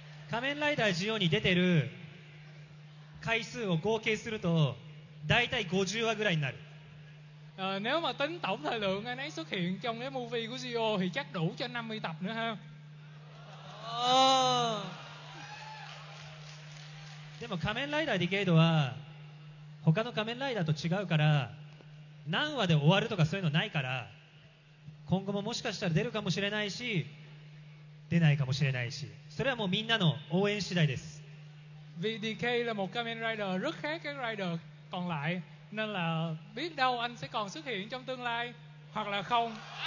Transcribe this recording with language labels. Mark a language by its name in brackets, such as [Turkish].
[Japanese] 仮面ライダージオーに出てる回数を合計すると大体50話ぐらいになる。 [Vietnamese] Nếu mà tính tổng thời lượng anh ấy xuất hiện trong cái movie của Gio thì chắc đủ cho 50 tập nữa ha. [Japanese] でも仮面ライダーディケイドは他の仮面ライダーと違うから何話で終わるとかそういうのないから今後ももしかしたら出るかもしれないし出ないかもしれないしそれはもうみんなの応援次第です。 [Vietnamese] VDK là một 仮面ライダー rất khác các rider còn lại nên là biết đâu anh sẽ còn xuất hiện trong tương lai hoặc là không.